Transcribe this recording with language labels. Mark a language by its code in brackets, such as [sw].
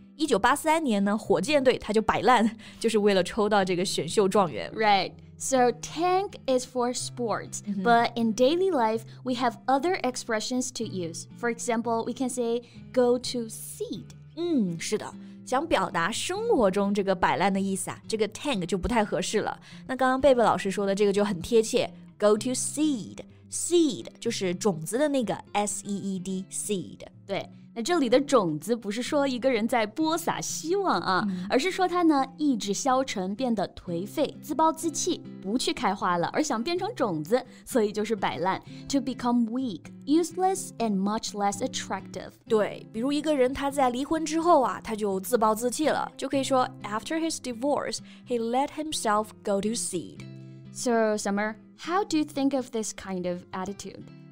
[zh] 1983年呢，火箭队他就摆烂，就是为了抽到这个选秀状元。 [en] Right, so tank is for sports,、 mm-hmm. but in daily life, we have other expressions to use. For example, we can say go to seed. [zh] 是的，想表达生活中这个摆烂的意思啊，这个 tank 就不太合适了。那刚刚贝贝老师说的这个就很贴切 ,go to seed. Seed 就是种子的那个 S-E-E-D, seed. 对。那这里的种子不是说一个人在播撒希望啊、而是说他呢意志消沉，变得颓废，自暴自弃，不去开花了，而想变成种子，所以就是摆烂。 [en] To become weak, useless, and much less attractive. [zh] 对，比如一个人他在离婚之后啊，他就自暴自弃了，就可以说 [en] After his divorce, he let himself go to seed. So, Summer, how do you think of this kind of attitude?